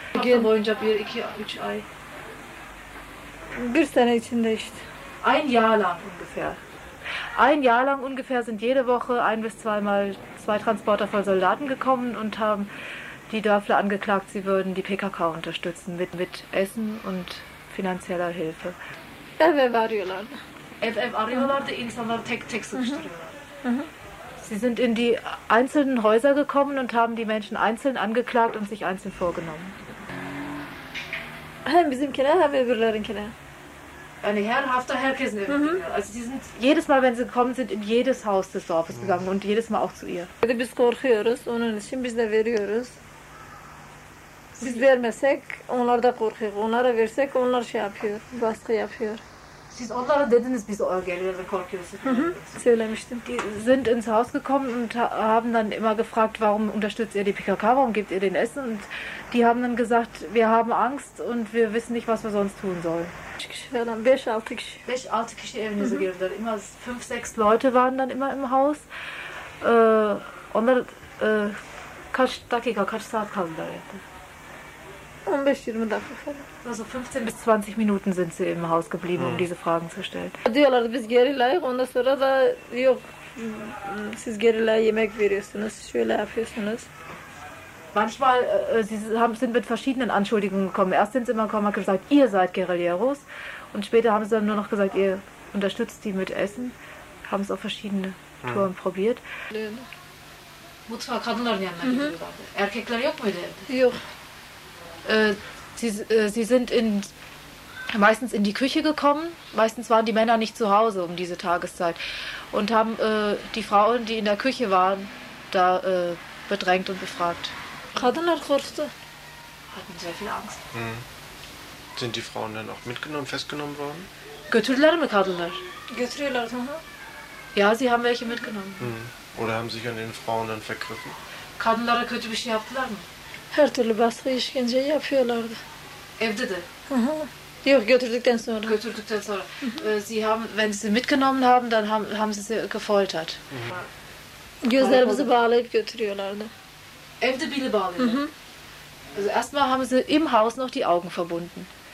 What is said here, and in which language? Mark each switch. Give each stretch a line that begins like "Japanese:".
German: Ein Jahr lang ungefähr. Ein Jahr lang ungefähr sind jede Woche ein bis zweimal zwei Transporter voll Soldaten gekommen und haben die Dörfler angeklagt, sie würden die PKK unterstützen mit Essen und finanzieller Hilfe.
Turkish: FF Arıyorlar. FF Arıyorlar da insanlar tek tek sıkıştırıyorlar.
German: Sie sind in die einzelnen Häuser gekommen und haben die Menschen einzeln angeklagt und sich einzeln vorgenommen. Eine herrenhafter Herr Kisnev. Mhm. Also sie sind jedes Mal, wenn sie gekommen sind, in jedes Haus des Dorfes gegangen und jedes Mal auch zu ihr.
Turkish: Biz korkuyoruz, onun için biz de veriyoruz. Biz vermesek, onlar da korkuyor. Onlara versek, onlar şey yapıyor, baskı yapıyor. Siz onlara dediniz, biz o Geldere korkuyorsunuz. Mhm. Söylemiştim.
German: Die sind ins Haus gekommen und haben dann immer gefragt, warum unterstützt ihr die PKK, warum gebt ihr den Essen? Und die haben dann gesagt, wir haben Angst und wir wissen nicht, was wir sonst tun sollen.
Turkish: 5-6 Kişi evinize girdiler.
German: Immer 5-6 Leute waren dann immer im Haus.
Turkish: Onlar kaç dakika, kaç saat kaldılar yani? 15-20 dakika.
German: Also 15 bis 20 Minuten sind sie im Haus geblieben, um diese Fragen zu stellen.
Turkish: Diyorlardı biz gerilayık, ondan sonra da yok. Siz gerilaya yemek veriyorsunuz, şöyle yapıyorsunuz.
German: Manchmal sind mit verschiedenen Anschuldigungen gekommen. Erst sind sie immer gekommen und gesagt, ihr seid Guerilleros. Und später haben sie dann nur noch gesagt, ihr unterstützt die mit Essen. Haben es auf verschiedene Touren probiert.
Turkish: Mutfağı kadınların yanına gidiyorlardı. Erkekler yok muydu evde? Yok.
German: Sie sind meistens in die Küche gekommen. Meistens waren die Männer nicht zu Hause um diese Tageszeit. Und haben die Frauen, die in der Küche waren, da bedrängt und befragt.
Turkish: Kadınlar korktu.
German: Hatten sehr viel Angst. Hm. Sind die Frauen dann auch mitgenommen, festgenommen worden?
Turkish: Götürdüler mi kadınlar? Götürüyorlar, hı.
German: Ja, sie haben welche mitgenommen. Hm. Oder haben sich an den Frauen dann vergriffen?
Turkish: Kadınlara kötü bir şey yaptılar mı? Her türlü baskı işkenceyi yapıyorlardı. Evde de? Hı hı. Yok, götürdükten sonra. Götürdükten sonra. Hı hı.
German: Sie haben, wenn sie mitgenommen haben, dann haben sie gefoltert. Hı.
Turkish: Gözlerimizi bağlayıp götürüyorlardı. Evde bile bağlıydı.
German: Also erstmal haben sie im Haus noch die Augen verbunden.